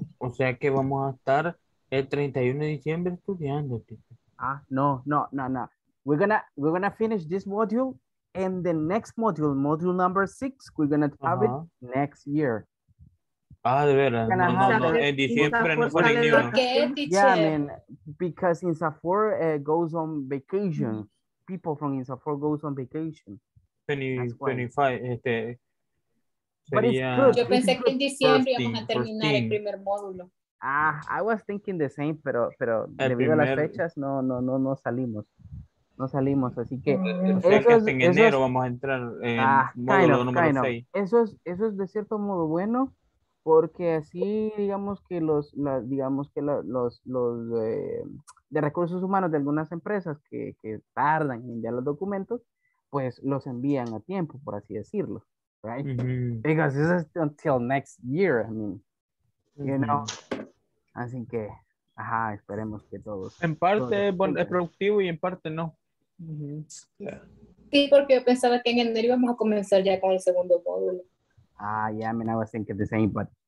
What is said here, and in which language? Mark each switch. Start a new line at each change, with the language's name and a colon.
Spanish: O sea que vamos a estar el 31 de diciembre estudiando, teacher. Ah, no.
English: We're gonna finish this module and the next module, module number 6, we're gonna have it next year.
Spanish: Ah, de veras. No, en diciembre no fue ni uno.
English: Yeah, I mean, because INSAFORP goes on vacation. People from INSAFORP goes on vacation. 2025,
Spanish: sería... Yo pensé que en diciembre íbamos a terminar 14. El primer módulo. Ah,
English: I was thinking the same,
Spanish: pero debido a las fechas, no salimos. No salimos, así que... En enero vamos a entrar en módulo número 6. Eso es de cierto modo bueno, porque así, digamos que los de recursos humanos de algunas empresas que tardan en enviar los documentos, pues los envían a tiempo, por así decirlo.
English: Right? Mm-hmm. Because this is until next year, I mean, you know...
Spanish: Así que, ajá, esperemos que todos. En parte todos es productivo y en parte no. Sí, porque yo pensaba que en enero íbamos a comenzar ya con el segundo módulo.
English: Ah, yeah, I mean, I was thinking the same, but...